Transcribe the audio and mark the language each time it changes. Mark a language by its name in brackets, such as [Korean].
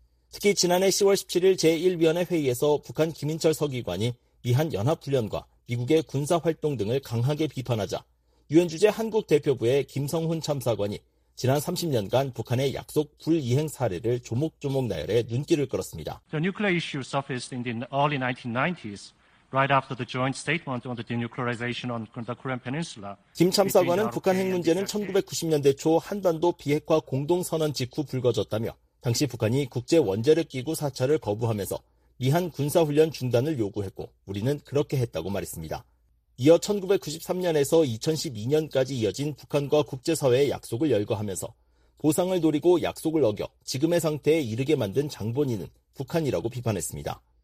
[Korean] 특히 지난해 10월 17일 제1위원회 회의에서 북한 김인철 서기관이 미한연합훈련과 미국의 군사활동 등을 강하게 비판하자 유엔 주재 한국 대표부의 김성훈 참사관이 지난 30년간 북한의 약속 불이행 사례를 조목조목 나열해 눈길을 끌었습니다. [English] The nuclear issue surfaced in the early 1990s, right after the joint statement on the denuclearization on the Korean Peninsula. [Korean] 김 참사관은 북한 핵 문제는 1990년대 초 한반도 비핵화 공동선언 직후 불거졌다며 당시 북한이 국제 원자력 기구 사찰을 거부하면서 미한 군사훈련 중단을 요구했고 우리는 그렇게 했다고 말했습니다. 이어 1993년에서 2012년까지 이어진 북한과 국제사회의 약속을 열거하면서 보상을 노리고 약속을 어겨 지금의 상태에 이르게 만든 장본인은 북한이라고 비판했습니다.